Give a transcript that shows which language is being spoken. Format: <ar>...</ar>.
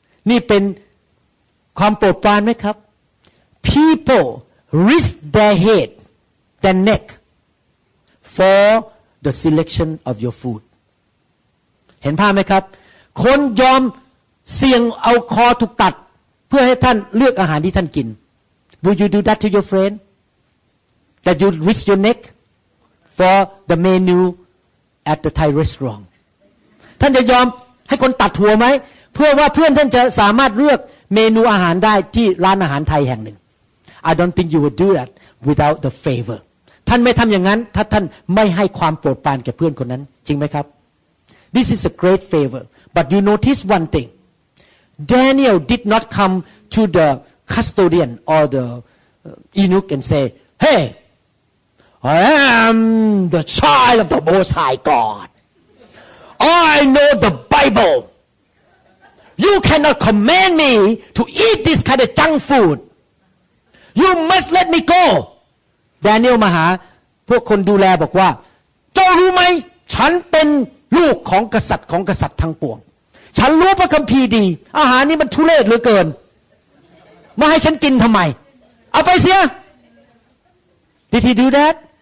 <th>นี่เป็นความโปรดปรานไหมครับ</th> <en>People risk their head their neck for the selection of your food</en> <th>เห็นภาพไหมครับคนยอมเสี่ยงเอาคอถูกตัดเพื่อให้ท่านเลือกอาหารที่ท่านกิน</th> <en>Will you do that to your friend? That you risk your neck for the menu at the Thai restaurant?</en> <th>ท่านจะยอมให้คนตัดหัวไหมเพื่อว่าเพื่อนท่านจะสามารถเลือกเมนูอาหารได้ที่ร้านอาหารไทยแห่งหนึ่ง</th> <en>I don't think you would do that without the favor.</en> <th>ท่านไม่ทำอย่างนั้นถ้าท่านไม่ให้ความโปรดปรานแก่เพื่อนคนนั้นจริงไหมครับ</th> <en>This is a great favor. But you notice one thing. Daniel did not come to the custodian or the eunuch and say, "Hey, I am the child of the Most High God. I know the Bible. You cannot command me to eat this kind of junk food. You must let me go."</en> <th>Daniel มาหาพวกคนดูแลบอกว่าเจ้ารู้ไหมฉันเป็นลูกของกษัตริย์ของกษัตริย์ทั้งปวงฉันรู้พระคัมภีร์ดีอาหารนี้มันทุเรศเหลือเกินมาให้ฉันกินทำไมเอาไปเสีย</th> <en>Did he do that?</en>